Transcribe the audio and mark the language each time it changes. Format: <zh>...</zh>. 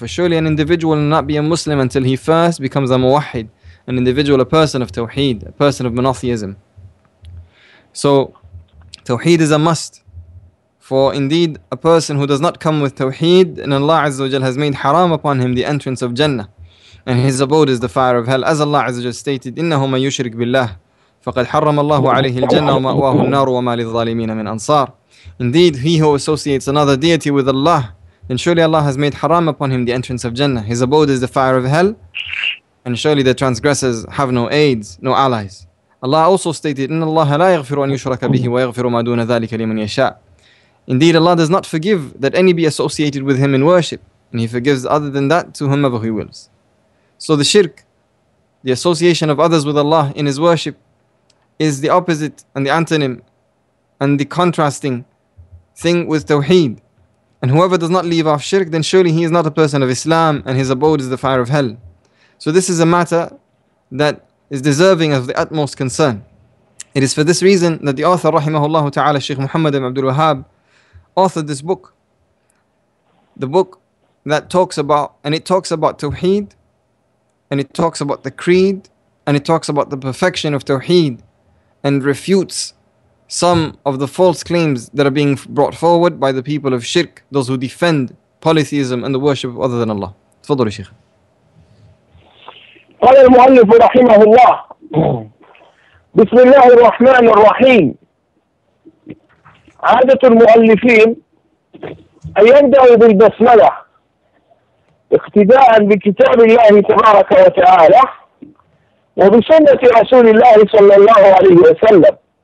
<en>For surely an individual will not be a Muslim until he first becomes a Muwahid, an individual, a person of Tawheed, a person of monotheism. So Tawheed is a must. For indeed, a person who does not come with Tawheed, and Allah Azza wa Jal has made haram upon him the entrance of Jannah, and his abode is the fire of hell. As Allah Azza wa Jal stated,</en> <ar>إِنَّهُ مَن يُشْرِكْ بِاللَّهِ فَقَدْ حَرَّمَ اللَّهُ عَلَيْهِ الْجَنَّةُ وَمَأْوَاهُ النَّارُ وَمَا لِلظَّالِمِينَ مِنْ أَنصَارِ.</ar> <en>Indeed, he who associates another deity with Allah, then surely Allah has made haram upon him the entrance of Jannah. His abode is the fire of hell, and surely the transgressors have no aids, no allies. Allah also stated,</en> <ar>إِنَّ اللَّهَ لَا يَغْفِرُ أَن يُشْرَكَ بِهِ وَيَغْفِرُ مَا دُونَ ذَلِكَ لِمَنْ يَشَاءُ.</ar> <en>Indeed, Allah does not forgive that any be associated with Him in worship, and He forgives other than that to whomever He wills. So the shirk, the association of others with Allah in His worship, is the opposite and the antonym and the contrasting thing with Tawheed. And whoever does not leave off shirk, then surely he is not a person of Islam and his abode is the fire of hell. So this is a matter that is deserving of the utmost concern. It is for this reason that the author, rahimahullah ta'ala, Sheikh Muhammad ibn Abdul Wahhab, authored this book. The book that talks about, and it talks about Tawheed, and it talks about the creed, and it talks about the perfection of Tawheed, and refutes some of the false claims that are being brought forward by the people of shirk, those who defend polytheism and the worship of other than Allah. Tafadhal, Sheikh.</en> <ar>قال المؤلف رحمه الله بسم الله الرحمن الرحيم. عادة المؤلفين أن يبدأوا بالبسملة اقتداء بكتاب الله تبارك وتعالى وبسنة رسول الله صلى الله عليه وسلم.</ar>